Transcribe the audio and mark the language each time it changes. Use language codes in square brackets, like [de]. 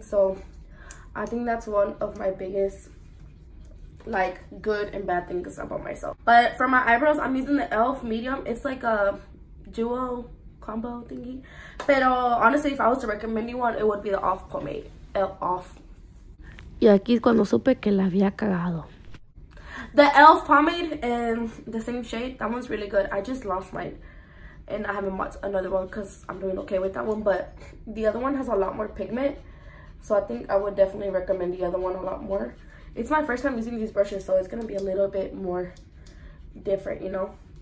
[en] So I think that's one of my biggest like good and bad things about myself. But for my eyebrows, I'm using the e.l.f. medium. It's like a duo combo thingy, but honestly, if I was to recommend you one, it would be the e.l.f. pomade. E.l.f. [es] Y aquí cuando supe que la había cagado. [en] The e.l.f. pomade in the same shade, that one's really good. I just lost mine and I haven't bought another one because I'm doing okay with that one, but the other one has a lot more pigment, so I think I would definitely recommend the other one a lot more. It's my first time using these brushes, so it's gonna be a little bit more different, you know?